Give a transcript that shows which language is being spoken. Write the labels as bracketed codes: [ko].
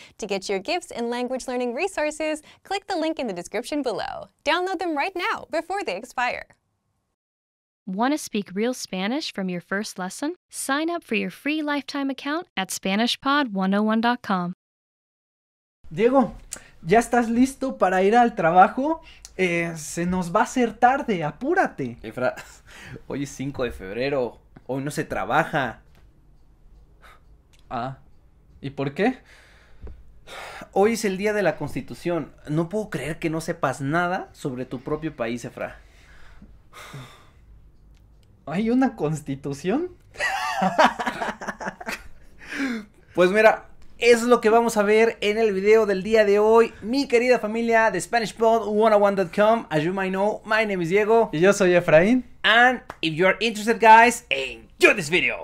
[en] To get your gifts and language learning resources, click the link in the description below. Download them right now before they expire. Want to speak real Spanish from your first lesson? Sign up for your free lifetime account at SpanishPod101.com. [es] Diego, ¿ya estás listo para ir al trabajo? Se nos va a hacer tarde, apúrate. Efra, hoy es 5 de febrero, hoy no se trabaja. Ah, ¿y por qué? Hoy es el día de la Constitución, no puedo creer que no sepas nada sobre tu propio país, Efra. ¿Hay una constitución? Pues mira, es lo que vamos a ver en el video del día de hoy. Mi querida familia de [en] SpanishPod101.com, as you might know, my name is Diego. [es] Y yo soy Efraín. [en] And if you're interested, guys, enjoy this video.